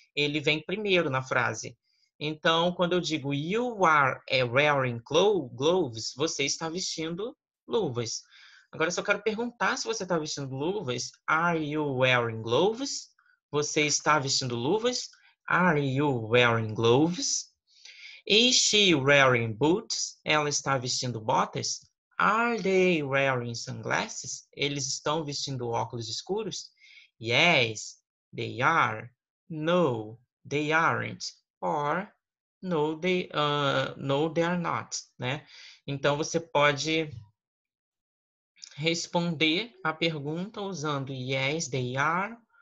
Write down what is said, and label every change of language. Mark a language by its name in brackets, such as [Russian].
[Portuguese] Ele vem primeiro na frase. Então, quando eu digo [English] you are wearing gloves, [Portuguese] você está vestindo luvas. Agora, se eu quero perguntar se você está vestindo luvas, [English] are you wearing gloves? [Portuguese] Você está vestindo luvas? [English] Are you wearing gloves? Is she wearing boots? [Portuguese] Ela está vestindo botas? [English] Are they wearing sunglasses? [Portuguese] Eles estão vestindo óculos escuros? [English] Yes, they are. No, they aren't. Or, no, they are not. Né? [Portuguese] Então, você pode responder a pergunta usando [English] yes, they are.